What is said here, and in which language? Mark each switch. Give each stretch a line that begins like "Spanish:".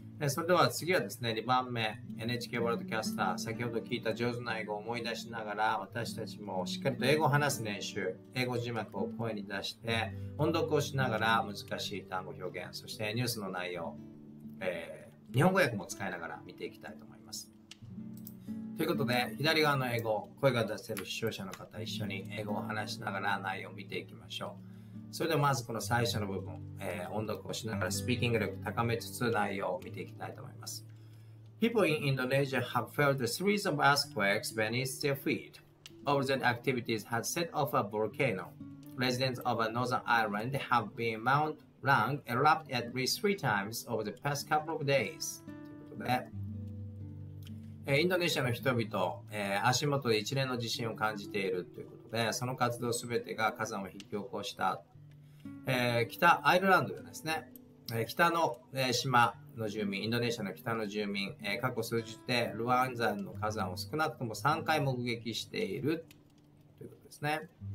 Japanese: それでは次はですね、2番目 NHK ワールドキャスター、先ほど聞いた上手な英語を思い出しながら、私たちもしっかりと英語を話す練習、英語字幕を声に出して音読をしながら、難しい単語表現、そしてニュースの内容、日本語訳も使いながら見ていきたいと思います。ということで、左側の英語声が出せる視聴者の方、一緒に英語を話しながら内容を見ていきましょう。それではまずこの最初の部分、音読をしながらスピーキング力高めつつ内容を見ていきたいと思います。
English: People in Indonesia have felt a series of earthquakes beneath their feet. All the activities had set off a volcano. Residents of a northern island have been Mount Rang erupted at least 3 times over the past couple of days.
Japanese: インドネシアの人々、足元で一連の地震を感じているということで、その活動すべてが火山を引き起こした。北アイルランドですね、北の島の住民、インドネシアの北の住民、過去数日でルワン山の火山を少なくとも3回目撃しているということですね。